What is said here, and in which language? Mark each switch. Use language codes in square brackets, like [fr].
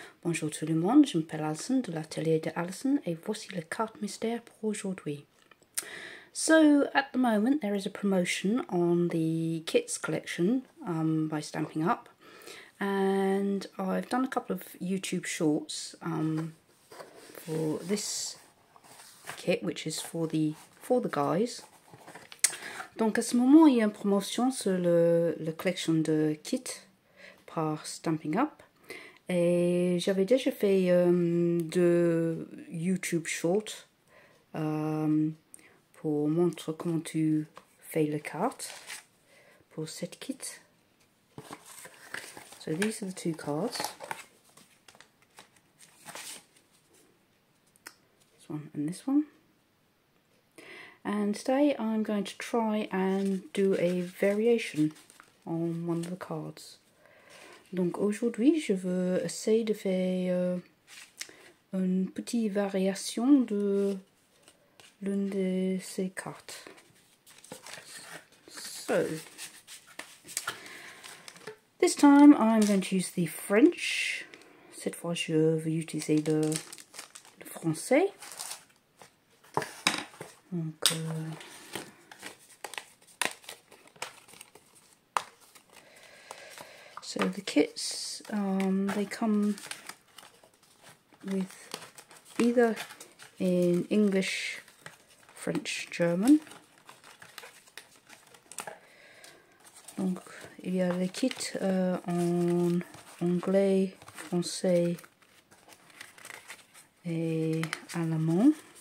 [fr] Bonjour tout le monde, je m'appelle Alison de l'atelier de Alison, et voici la carte mystère pour aujourd'hui. [en] So, at the moment, there is a promotion on the kits collection by Stampin' Up, and I've done a couple of YouTube shorts for this kit, which is for the guys. [fr] Donc à ce moment, il y a une promotion sur la collection de kits par Stampin' Up. Et j'avais déjà fait deux YouTube shorts pour montrer comment tu fais la carte pour cette kit. [en] So these are the two cards. This one and this one. And today I'm going to try and do a variation on one of the cards. [fr] Donc aujourd'hui, je veux essayer de faire une petite variation de l'une de ces cartes. [en] So, this time I'm going to use the French. [fr] Cette fois, je veux utiliser le français. [en] Donc, so the kits, they come with either in English, French, German. [fr] Donc, il y a les kits en anglais, français et allemand.